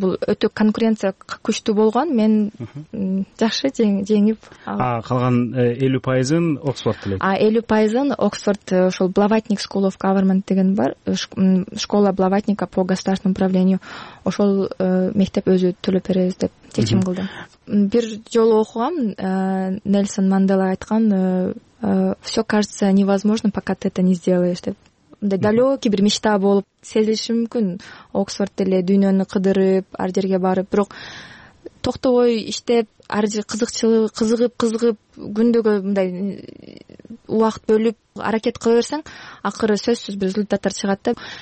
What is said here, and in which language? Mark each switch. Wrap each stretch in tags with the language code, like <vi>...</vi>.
<ky>Бул өтө конкуренция күчтүү болгон, мен жакшы жеңип алдым. Калган 50% Оксфорд тилек. 50% Оксфорд ошол Блаватник School of Government деген бар, школа Блаватника по государственному управлению. Ошол мектеп өзү төлөп беребиз деп чечим кылдым. Бир жолу окугам, Нельсон Мандела айткан,</ky> <ru>все кажется невозможным, пока ты это не сделаешь</ru> <ky>деп. Мындай далекий бир мечта болуп сезилиши мүмкүн, Оксфорд деле дүйнөнү кыдырып ар жерге барып, бирок токтобой иштеп, ар жер кызыкчылыгы кызыгып күндөгө мындай убакыт бөлүп аракет кыла берсең, акыры сөзсүз бир результаттар чыгат да.</ky>